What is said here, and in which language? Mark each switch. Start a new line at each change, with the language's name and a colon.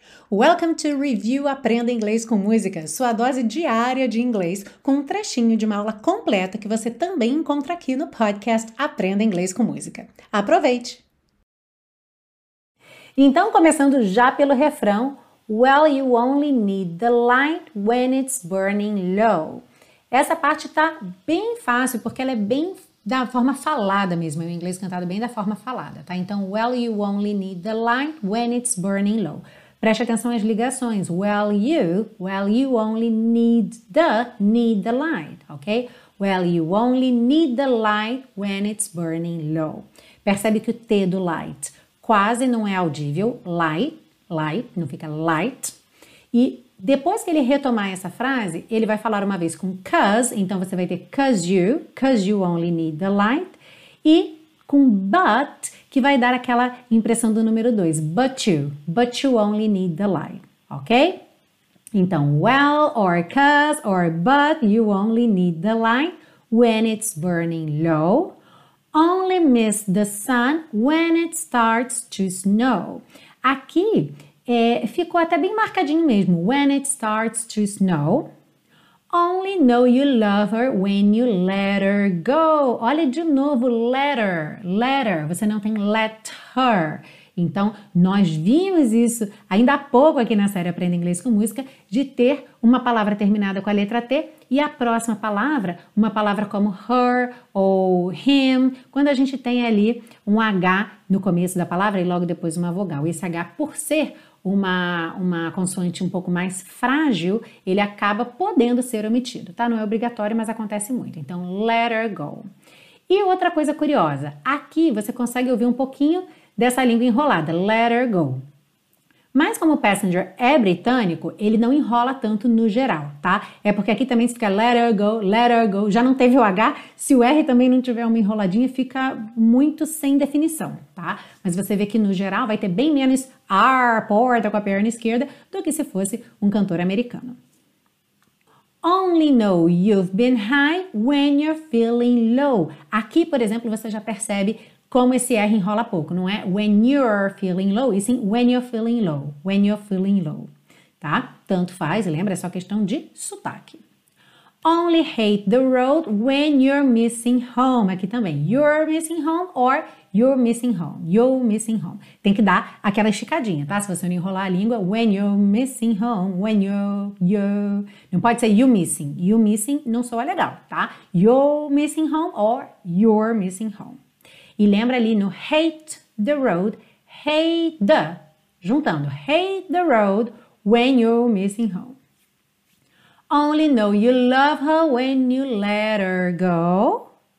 English: Welcome to
Portuguese: Review Aprenda Inglês com Música, sua dose diária de inglês, com um trechinho de uma aula completa que você também encontra aqui no podcast Aprenda Inglês com Música. Aproveite! Então, começando já pelo refrão,
English: well, you only need the light when it's burning low.
Portuguese: Essa parte tá bem fácil, porque ela é bem da forma falada mesmo, o inglês cantado bem da forma falada, tá? Então,
English: well, you only need the light when it's burning low.
Portuguese: Preste atenção às ligações.
English: Well, you only need the light, ok? Well, you only need the light when it's burning low.
Portuguese: Percebe que o T do light quase não é audível. Light, light, não fica light. E depois que ele retomar essa frase, ele vai falar uma vez com cause, então você vai ter
English: cause you only need the light.
Portuguese: E com but, que vai dar aquela impressão do número 2,
English: but you only need the light,
Portuguese: ok?
English: Então, well, or cause, or but, you only need the light when it's burning low. Only miss the sun when it starts to snow.
Portuguese: Aqui, ficou até bem marcadinho mesmo,
English: when it starts to snow. Only know you love her when you let her go.
Portuguese: Olha de novo, letter. Você não tem let her. Então, nós vimos isso ainda há pouco aqui na série Aprenda Inglês com Música, de ter uma palavra terminada com a letra T e a próxima palavra, uma palavra como her ou him, quando a gente tem ali um H no começo da palavra e logo depois uma vogal. Esse H, por ser uma consoante um pouco mais frágil, ele acaba podendo ser omitido, tá? Não é obrigatório, mas acontece muito. Então, let her go. E outra coisa curiosa, aqui você consegue ouvir um pouquinho dessa língua enrolada, let her go. Mas como o passenger é britânico, ele não enrola tanto no geral, tá? É porque aqui também se fica let her go, já não teve o H, se o R também não tiver uma enroladinha, fica muito sem definição, tá? Mas você vê que no geral vai ter bem menos R, porta com a perna esquerda, do que se fosse um cantor americano.
English: Only know you've been high when you're feeling low.
Portuguese: Aqui, por exemplo, você já percebe como esse R enrola pouco, não é
English: when you're feeling low,
Portuguese: e sim when you're feeling low, tá? Tanto faz, lembra, é só questão de sotaque.
English: Only hate the road when you're missing home,
Portuguese: aqui também,
English: you're missing home or you're missing home.
Portuguese: Tem que dar aquela esticadinha, tá? Se você não enrolar a língua,
English: when you're missing home,
Portuguese: when you're, não pode ser you missing não soa legal, tá?
English: You're missing home or you're missing home.
Portuguese: E lembra ali no
English: hate the road, hate the, juntando, hate the road when you're missing home. Only know you love her when you let her go.